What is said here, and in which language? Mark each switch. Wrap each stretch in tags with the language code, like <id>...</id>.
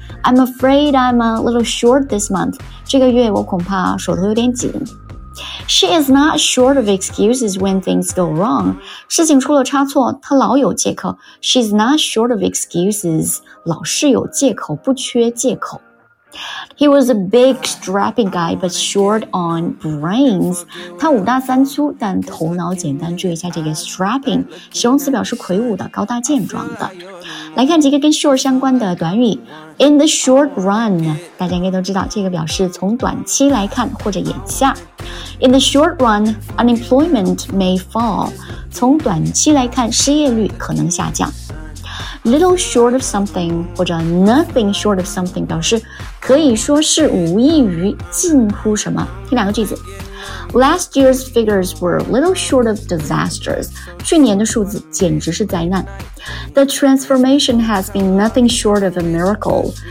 <en>I'm afraid I'm a little short this month.</en> <zh>这个月我恐怕手头有点紧。</zh> <en>She is not short of excuses when things go wrong.</en> <zh>事情出了差错，她老有借口。</zh> <en>She's not short of excuses.</en> <zh>老是有借口，不缺借口。</zh> <en>He was a big, strapping guy, but short on brains.</en> <zh>他五大三粗，但头脑简单。注意一下这个 strapping， 形容词表示魁梧的、高大健壮的。来看几个跟 short 相关的短语。</zh> <en>In the short run，</en> <zh>大家应该都知道，这个表示从短期来看或者眼下。</zh> <en>In the short run, unemployment may fall.</en> <zh>从短期来看，失业率可能下降。</zh> <en>Little short of something</en> <zh>或者</zh> <en>nothing short of something</en> <zh>表示可以说是无异于近乎什么。听两个句子。</zh> <en>Last year's figures were a little short of disastrous.</en> <zh>去年的数字简直是灾难。</zh> <en>The transformation has been nothing short of a miracle.</en>